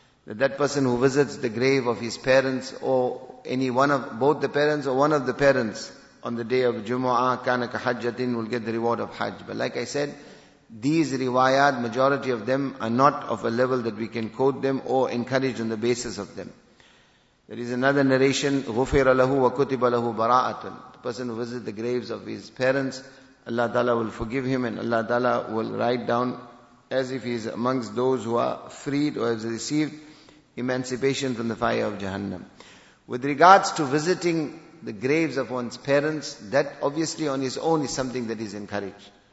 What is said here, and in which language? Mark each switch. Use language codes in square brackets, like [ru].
[en] that that person who visits the grave of his parents or any one of both the parents or one of the parents on the day of Jumu'ah, [ar] kana ka hajjatin, [en] will get the reward of hajj. But like I said, these riwayat, majority of them are not of a level that we can quote them or encourage on the basis of them. There is another narration, [ar] غُفِرَ لَهُ وَكُتِبَ لَهُ بَرَاءَةٌ. [en] The person who visits the graves of his parents, Allah Ta'ala will forgive him and Allah Ta'ala will write down as if he is amongst those who are freed or has received emancipation from the fire of Jahannam. With regards to visiting the graves of one's parents, that obviously on his own is something that is encouraged.